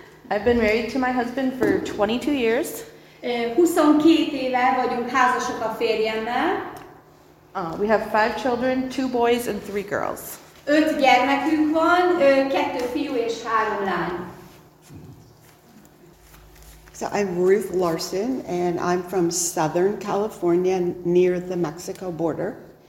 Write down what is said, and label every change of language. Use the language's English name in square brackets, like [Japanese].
[English] I've been married to my husband for 22 years. [Hungarian] 22 éve vagyunk házasok a férjemmel. [English] We have 5 children, 2 boys and 3 girls. [Hungarian] 5 gyermekünk van, 2 fiú és 3 lány. [English] So I'm Ruth Larson and I'm from Southern California near the Mexico border.